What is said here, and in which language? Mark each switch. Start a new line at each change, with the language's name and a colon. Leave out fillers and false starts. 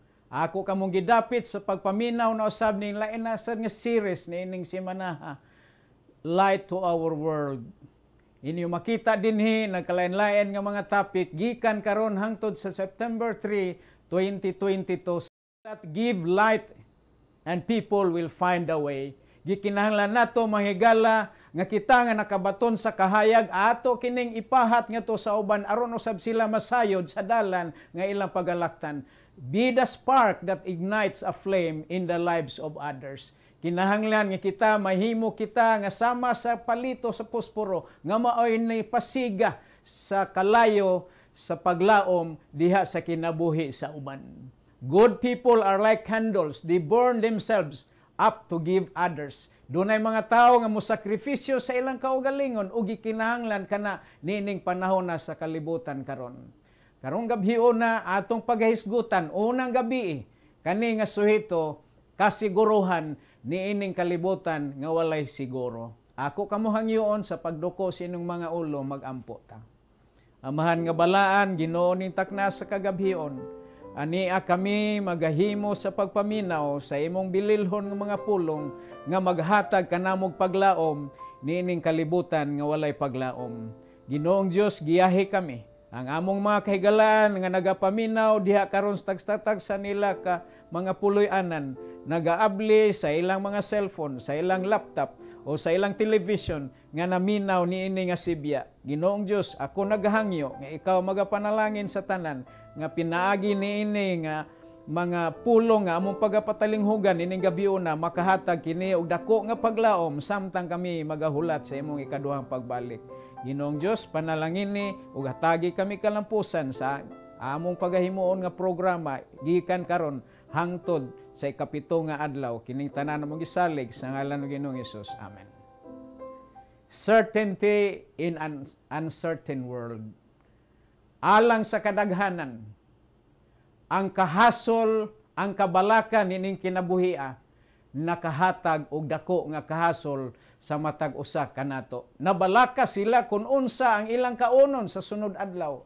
Cebuano: Ako kamong gidapit sa pagpaminaw na usab ning lainasan nga series ni ining semana Light to Our World. Inyo makita dinhi nagkalain-lain nga mga topic gikan karon hangtod sa September 3, 2022.
English: That give light and people will find a way.
Cebuano: Gikinahanglan nato mahigala nga kita nga nakabaton sa kahayag, ato kining ipahat nga to sa uban aron usab sila masayod sa dalan nga ilang pagalaktan.
English: Be the spark that ignites a flame in the lives of others.
Cebuano: Kinahanglan nga kita, mahimo kita nga sama sa palito sa pusporo nga maoy ni pasiga sa kalayo sa paglaom diha sa kinabuhi sa uban.
English: Good people are like candles, they burn themselves up to give others.
Cebuano: Dunay mga tao nga musakripisyo sa ilang kaugalingon ug gikinahanglan kana nining panahon na sa kalibutan karon. Karong gabi una atong paghisgutan, unang gabi kani nga suhito kasiguruhan niining kalibutan nga walay siguro. Ako kamuhang yun sa pagduko sinong mga ulo magampo ta. Amahan nga balaan, Ginoo ning takna sa kagabhion. Ania kami magahimo sa pagpaminaw sa imong bililhon ng mga pulong nga maghatag kanamog paglaom niining kalibutan nga walay paglaom. Ginoong Diyos, giyahi kami ang among mga kahigalaan nga nagapaminaw diha karon stag-statag sa nila ka mga puloy-anan, nagaabli sa ilang mga cellphone, sa ilang laptop o sa ilang television nga naminaw niini nga sibya. Ginoong Diyos, ako naghangyo nga ikaw magapanalangin sa tanan nga pinaagi niini nga mga pulong nga among pagapatalinghugan ining gabi una makahatag kini og dako nga paglaom samtang kami magahulat sa imong ikaduhang pagbalik. Ginoong Diyos, panalangin ni og hatagi kami kalampusan sa among pagahimuon nga programa gikan karon hangtod sa ikapito nga adlaw. Kining tanan mo gisalig sa ngalan ng Ginoong Hesus. Amen.
English: Certainty in an uncertain world.
Cebuano: Alang sa kadaghanan, ang kahasol, ang kabalaka nining kinabuhia, nakahatag o dako nga kahasol sa matag usa kanato. Nabalaka sila kun unsa ang ilang kaunon sa sunod adlaw.